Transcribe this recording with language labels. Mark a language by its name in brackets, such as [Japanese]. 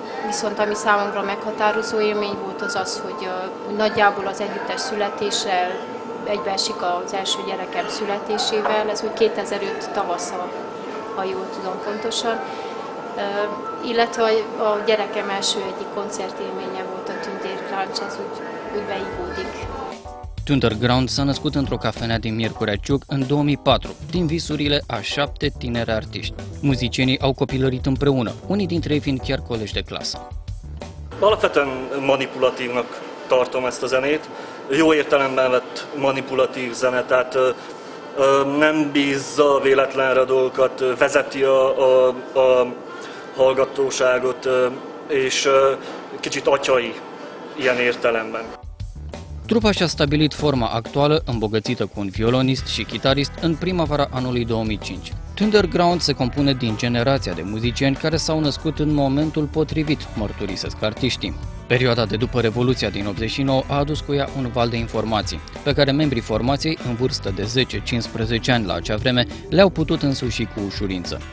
[Hungarian] Viszont ami számomra meghatározó élmény volt az az, hogy nagyjából az együttes születése egybeesik az első gyerekem születésével. Ez úgy 2005 tavasza, ha jól tudom pontosan. Illetve a gyerekem első egyik koncertélménye volt a Tündér Crunch, ez úgy beívódik. [Romanian] Underground s-a născut într-o cafenea din Miercurea Ciuc în 2004, din visurile a 7 tineri artiști. Muzicienii au copilărit împreună, unii dintre ei fiind chiar colegi de clasă. [Hungarian] Alapvetően manipulatívnak tartom ezt a zenét. Jó értelemben lett manipulatív zene, tehát nem bízza véletlenre dolgokat, vezeti a hallgatóságot, és kicsit atyai ilyen értelemben. [Romanian] Trupa și-a stabilit forma actuală, îmbogățită cu un violonist și chitarist, în primăvara anului 2005. Thunderground se compune din generația de muzicieni care s-au născut în momentul potrivit, mărturisesc artiștii. Perioada de după Revoluția din 89 a adus cu ea un val de informații, pe care membrii formației, în vârstă de 10-15 ani la acea vreme, le-au putut însuși cu ușurință.